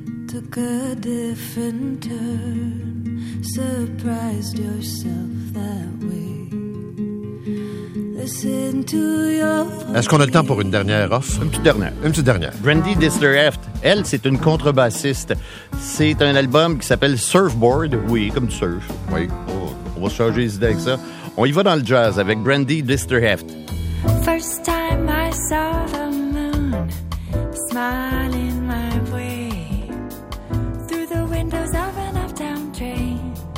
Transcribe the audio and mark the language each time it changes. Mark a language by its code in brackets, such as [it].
[en] Took a different turn, surprised yourself that way. Listen to your. [fr] Est-ce qu'on a le temps pour une dernière offre? Une petite dernière. Brandi Distler-Heft, elle, c'est une contrebassiste. C'est un album qui s'appelle Surfboard. Oui, comme du surf. Oui. On va se changer les idées avec ça. On y va dans le jazz avec Brandi Distler-Heft. [en] First time I saw the moon smiling my way through the windows of an uptown train.